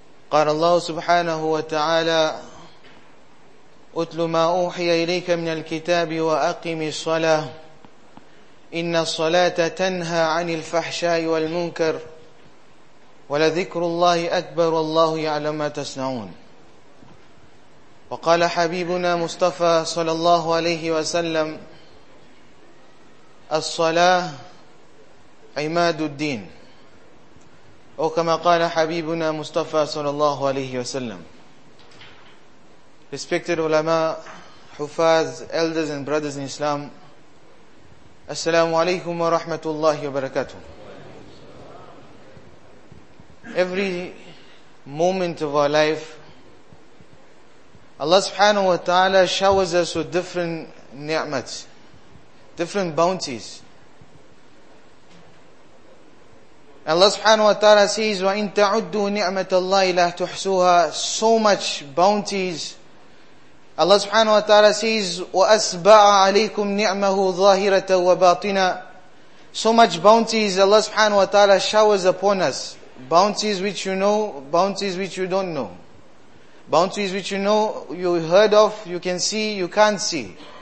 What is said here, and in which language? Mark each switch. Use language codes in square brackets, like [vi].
[ar] قال الله سبحانه وتعالى أتل ما أوحي إليك من الكتاب وأقم الصلاة إن الصلاة تنهى عن الفحشاء والمنكر ولذكر الله أكبر والله يعلم ما تصنعون وقال حبيبنا مصطفى صلى الله عليه وسلم الصلاة عماد الدين أو كما قال حبيبنا مصطفى صلى الله عليه وسلم. [en] Respected ulama, حفاظ, elders and brothers in Islam, [ar] السلام عليكم ورحمة الله وبركاته. [en] Every moment of our life, Allah subhanahu wa ta'ala showers us with different ni'mats, different bounties. Allah subhanahu wa ta'ala says, [ar] وَإِن تَعُدُّوا نِعْمَةَ اللَّهِ لَا تُحْسُوهَا. [en] So much bounties. Allah subhanahu wa ta'ala says, [ar] وَأَسْبَعَ عَلَيْكُمْ نِعْمَهُ ظَاهِرَةً وَبَاطِنًا. [en] So much bounties Allah subhanahu wa ta'ala showers upon us. Bounties which you know, bounties which you don't know. Bounties which you know, you heard of, you can see, you can't see.